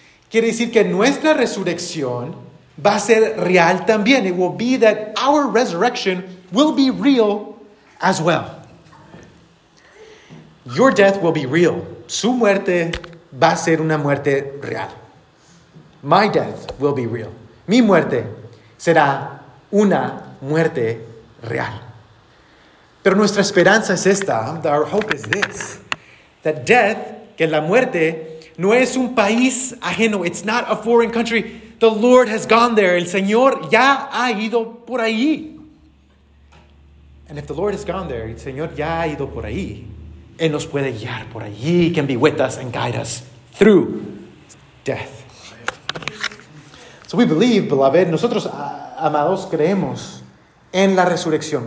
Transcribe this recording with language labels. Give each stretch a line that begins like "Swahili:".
Spanish: Quiere decir que nuestra resurrección va a ser real también.
English: It will be that our resurrection will be real as well. Your death will be real.
Spanish: Su muerte va a ser una muerte real.
English: My death will be real.
Spanish: Mi muerte será una muerte real. Pero nuestra esperanza es esta.
English: Our hope is this. That death,
Spanish: que la muerte, no es un país ajeno.
English: It's not a foreign country. The Lord has gone there.
Spanish: El Señor ya ha ido por ahí.
English: And if the Lord has gone there,
Spanish: el Señor ya ha ido por ahí. Él nos puede guiar por allí.
English: He can be with us and guide us through death. So we believe, beloved,
Spanish: nosotros, amados, creemos en la resurrección.